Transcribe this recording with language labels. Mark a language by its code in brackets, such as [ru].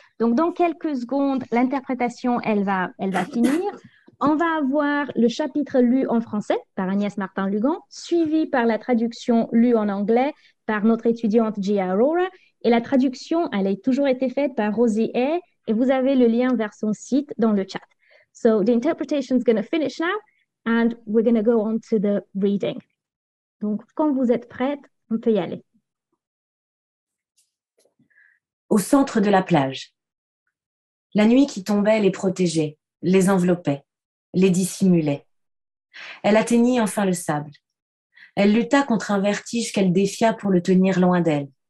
[fr] Donc, dans quelques secondes, l'interprétation, elle va finir. On va avoir le chapitre lu en français par Agnès Martin-Lugan, suivi par la traduction lue en anglais par notre étudiante Gia Aurora. Et la traduction, elle a toujours été faite par Rosie Hay. Et vous avez le lien vers son site dans le chat. [en] So, the interpretation is going to finish now and we're going to go on to the reading. [fr] Donc, quand vous êtes prête, on peut y aller. Au centre de la plage, la nuit qui tombait les protégeait, les enveloppait, les dissimulait. Elle atteignit enfin le sable. Elle lutta contre un vertige qu'elle défia pour le tenir loin d'elle.